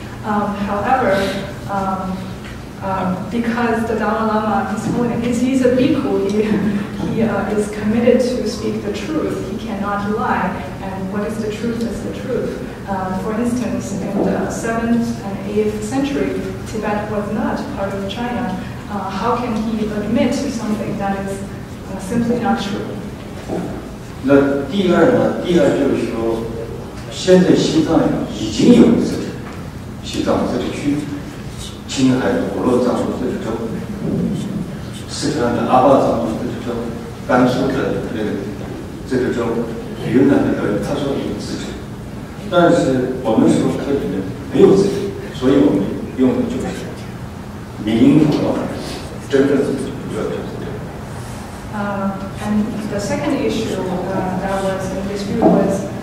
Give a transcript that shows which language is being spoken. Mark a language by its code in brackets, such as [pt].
[en] However, because the Dalai Lama he's a bhikkhu, he is committed to speak the truth. He cannot lie. And what is the truth is the truth. For instance, in the 7th and 8th century, Tibet was not part of China. How can he admit to something that is simply not true? [zh] 那第二呢？第二就是说，现在西藏已经有自治，西藏自治区，青海的普洛藏族自治州，四川的阿坝藏族自治州。甘肃的那个自治州，云南的他说有自治，但是我们说这里面没有自治，所以我们用的就是民主化，真正的主要就是这个。 [en] And the second issue that was in dispute was